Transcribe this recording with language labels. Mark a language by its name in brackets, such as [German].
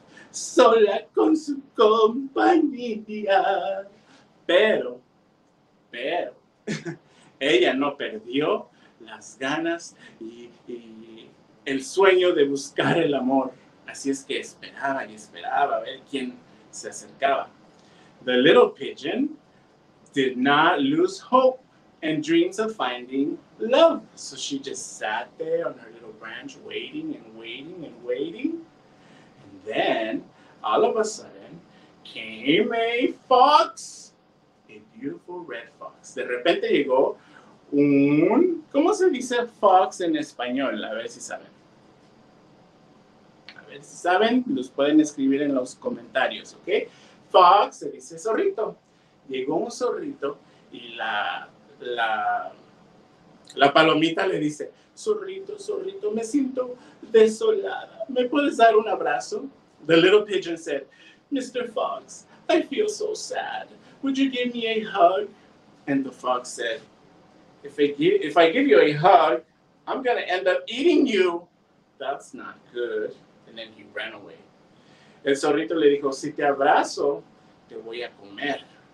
[Spanish] Sola con su compañía. Pero, ella no perdió las ganas y el sueño de buscar el amor. Así es que esperaba y esperaba a ver quién se acercaba. [English] The little pigeon did not lose hope and dreams of finding love. So she just sat there on her little branch waiting. And then, all of a sudden, came a fox. A beautiful red fox. [Spanish] De repente llegó un... ¿Cómo se dice fox en español? A ver si saben. Los pueden escribir en los comentarios, ¿ok? Fox se dice zorrito. Llegó un zorrito y la palomita le dice, zorrito, me siento desolada. ¿Me puedes dar un abrazo? [English] The little pigeon said, Mr. Fox, I feel so sad. Would you give me a hug? And the fox said, if I give you a hug, I'm going to end up eating you. That's not good. And then he ran away. [Spanish] El zorrito le dijo, si te abrazo, te voy a comer.